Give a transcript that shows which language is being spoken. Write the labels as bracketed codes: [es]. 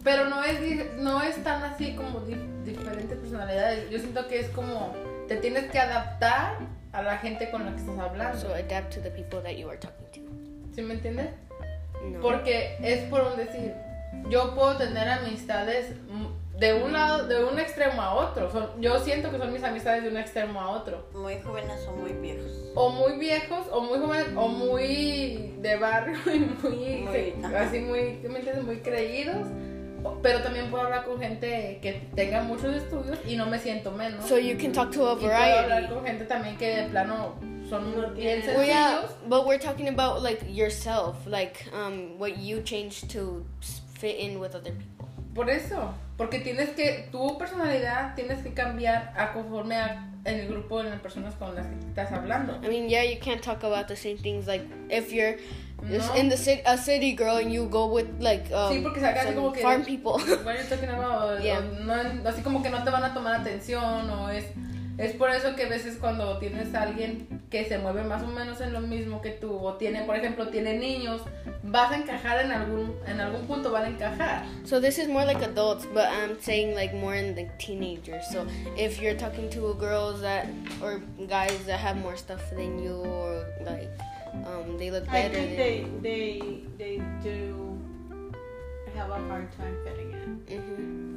[es] Pero no es tan así como diferentes personalidades. Yo siento que es como te tienes que adaptar a la gente con la que estás hablando. [en] So adapt to the people that you are talking to. [es] ¿Sí me entiendes? No. Porque es por un decir. Yo puedo tener amistades de un extremo a otro. Yo siento que son mis amistades de un extremo a otro. Muy jóvenes o muy viejos. O muy viejos, o muy jóvenes, o muy de barrio y muy creídos. Pero también puedo hablar con gente que tenga muchos estudios y no me siento menos. [en] So you can talk to a variety. [es] Y puedo hablar con gente también que de plano son bien sencillos. [en] Well, yeah, but we're talking about like yourself, like what you changed to fit in with other people. [es] Por eso, porque tienes que tu personalidad tienes que cambiar a conforme a en el grupo de las personas con las que estás hablando. [en] I mean, yeah, you can't talk about the same things like if you're in the city, a city girl, and you go with like [es] sí, acá [en] some [es] como que [en] farm people. What are you talking about? Yeah. [es] O, no, así como que no te van a tomar atención o es por eso que a veces cuando tienes a alguien que se mueve más o menos en lo mismo que tú o tiene, por ejemplo, tiene niños, vas a encajar en algún punto van a encajar. [en] So this is more like adults, but I'm saying like more in the teenagers. So if you're talking to girls that or guys that have more stuff than you or like they look better. I think they do have a hard time fitting in.